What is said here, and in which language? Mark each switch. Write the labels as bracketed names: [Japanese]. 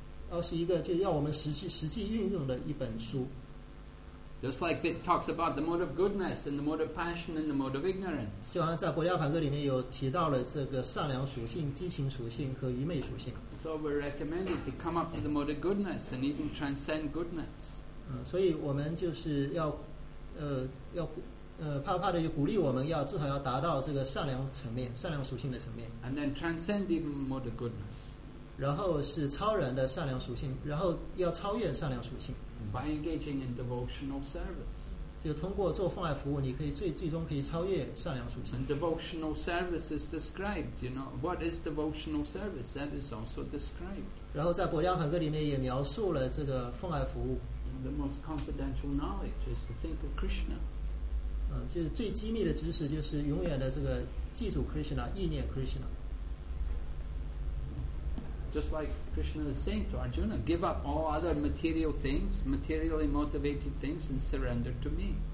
[Chinese] 而是一个就要我们实际运用的一本书。 [English] Just like it talks about the mode of goodness and the mode of passion and the mode of ignorance. [Chinese] 就好像在《般若梵歌》里面有提到了这个善良属性、激情属性和愚昧属性。 [English] So we're recommended to come up to the mode of goodness and even transcend goodness. [Chinese] 所以我们就是要，怕怕的就鼓励我们要至少要达到这个善良层面、善良属性的层面。 [English] And then transcend even more the goodness. [Chinese] 然后是超人的善良属性，然后要超越善良属性。 [English] By engaging in devotional service. [Chinese] 就通过做奉爱服务，你可以最终可以超越善良属性。 [English] And devotional service is described. You know what is devotional service? That is also described. [Chinese] 然后在《般若梵歌》里面也描述了这个奉爱服务。 [English] The most confidential knowledge is to think of Krishna. [Chinese] 就是最机密的知识，就是永远的这个记住 Krishna， 意念 Krishna。 [English] Just like Krishna is saying to Arjuna, give up all other material things, materially motivated things, and surrender to me。